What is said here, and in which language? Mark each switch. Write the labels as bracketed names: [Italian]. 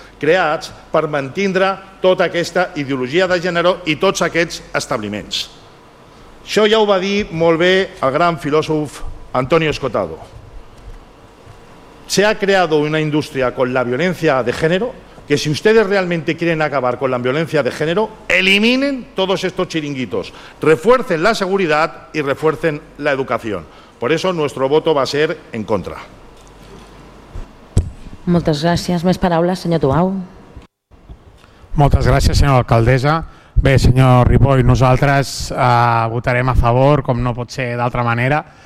[Catalan] creats per mantindre tota aquesta ideologia de gènere i tots aquests establiments. Això ja ho va dir molt bé el gran filòsof Antonio Escotado. [Spanish] Se ha creado una industria con la violencia de género que si ustedes realmente quieren acabar con la violencia de género, eliminen todos estos chiringuitos, refuercen la seguridad y refuercen la educación. Por eso nuestro voto va a ser en contra. [Catalan] Moltes gràcies. Més paraules, senyor Tuau. Moltes gràcies, senyora alcaldessa. Bé, senyor Ripoll, nosaltres votarem a favor, com no pot ser d'altra manera.